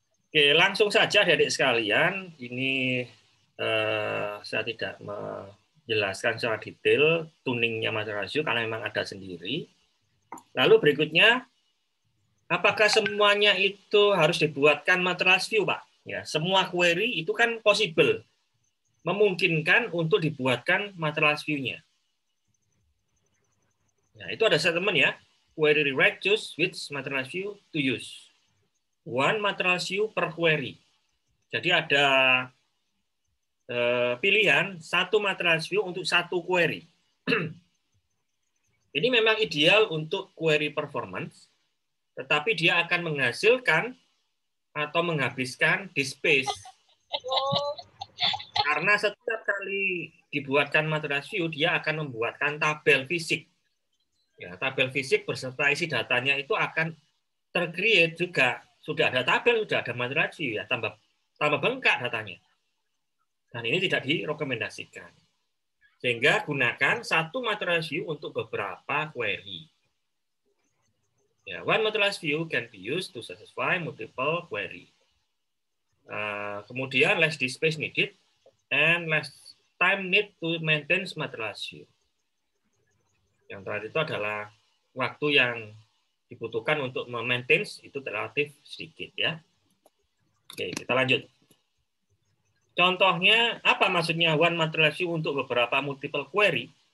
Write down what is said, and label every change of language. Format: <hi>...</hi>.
<id>Oke, langsung saja adik-adik sekalian, ini saya tidak menjelaskan secara detail tuningnya material view karena memang ada sendiri. Lalu berikutnya, apakah semuanya itu harus dibuatkan material view, Pak? Ya, semua query itu kan possible, memungkinkan untuk dibuatkan material view-nya. Nah, itu ada statement, ya.</id> <en>Query rewrite choose which material view to use. One material view per query.</en> <id>Jadi ada pilihan satu material view untuk satu query. Ini memang ideal untuk query performance, tetapi dia akan menghasilkan atau menghabiskan disk space. Karena setiap kali dibuatkan material view, dia akan membuatkan tabel fisik. Ya, tabel fisik beserta isi datanya itu akan tercreate juga. Sudah ada tabel, sudah ada material view, ya, tambah bengkak datanya. Dan ini tidak direkomendasikan. Sehingga gunakan satu material view untuk beberapa query.</id> <en>Yeah, one material view can be used to satisfy multiple query. Kemudian less disk space needed and less time need to maintain material view.</en> <id>Yang terakhir itu adalah waktu yang dibutuhkan untuk memaintain itu relatif sedikit, ya. Oke, okay, kita lanjut. Contohnya apa maksudnya one material view untuk beberapa multiple query?</id>